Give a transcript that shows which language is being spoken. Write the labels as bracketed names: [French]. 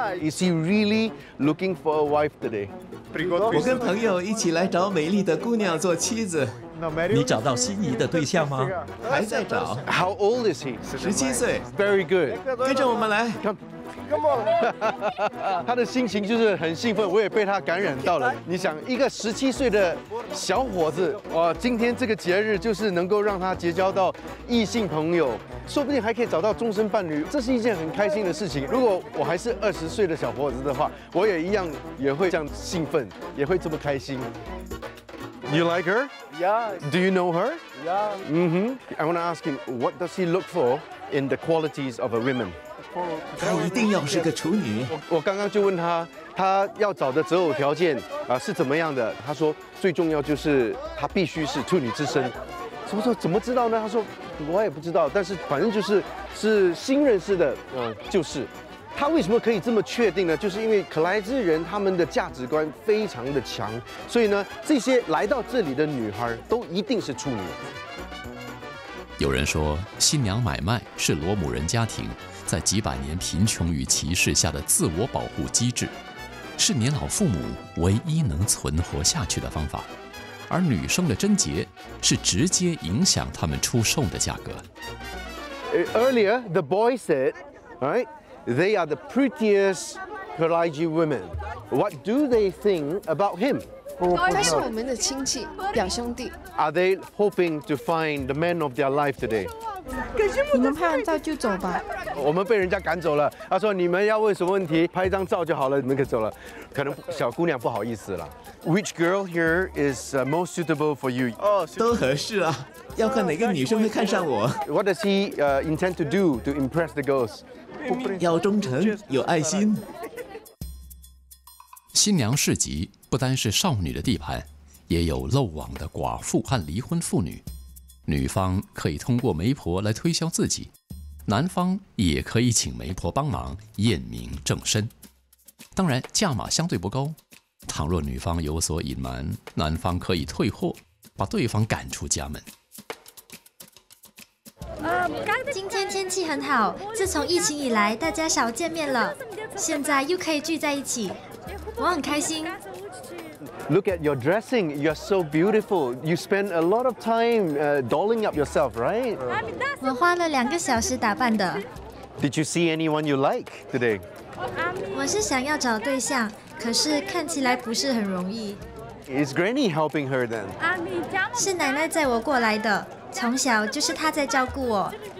[English] Is he really looking for a wife today? [Chinese] 我跟朋友一起来找美丽的姑娘做妻子。你找到心仪的对象吗？还在找。 [English] How old is he? [Chinese] 17岁。 [English] Very good. [Chinese] 跟着我们来。 [English] Come on. [Chinese] 他的心情就是很兴奋，我也被他感染到了。你想，一个17岁的小伙子，哇，今天这个节日就是能够让他结交到异性朋友，说不定还可以找到终身伴侣，这是一件很开心的事情。如果我还是20岁的小伙子的话，我也一样也会这样兴奋，也会这么开心。 [English] You like her? Yeah. Do you know her? Yeah. Mm-hmm. I want to ask him, what does he look for in the qualities of a woman? [Chinese] 她一定要是个处女。我刚刚就问她，她要找的择偶条件是怎么样的？她说最重要就是她必须是处女之身。什么时候怎么知道呢？她说我也不知道，但是反正就是是新认识的，就是。他为什么可以这么确定呢？就是因为可莱兹人他们的价值观非常的强，所以呢，这些来到这里的女孩都一定是处女。有人说，新娘买卖是罗姆人家庭在几百年贫穷与歧视下的自我保护机制，是年老父母唯一能存活下去的方法，而女生的贞洁是直接影响他们出售的价格。 [English] Earlier, the boy said, right? They are the prettiest Kalaji women. What do they think about him? Are they hoping to find the man of their life today? [Chinese] 你们拍完照就走吧。我们被人家赶走了。他说你们要问什么问题，拍一张照就好了，你们可走了。可能小姑娘不好意思了。 [English] Which girl here is most suitable for you? [Chinese] 都合适啊。要看哪个女生会看上我。 [English] What does he intend to do to impress the girls? [Chinese] 要忠诚，有爱心。新娘市集不单是少女的地盘，也有漏网的寡妇和离婚妇女。女方可以通过媒婆来推销自己，男方也可以请媒婆帮忙验明正身。当然，价码相对不高。倘若女方有所隐瞒，男方可以退货，把对方赶出家门。今天天气很好，自从疫情以来大家少见面了，现在又可以聚在一起，我很开心。 [English] Look at your dressing, you're so beautiful. You spend a lot of time dolling up yourself, right? [Chinese] 我花了两个小时打扮的。 [English] Did you see anyone you like today? [Chinese] 我是想要找对象，可是看起来不是很容易。 [English] Is granny helping her then? [Chinese] 是奶奶载我过来的，从小就是他在照顾我。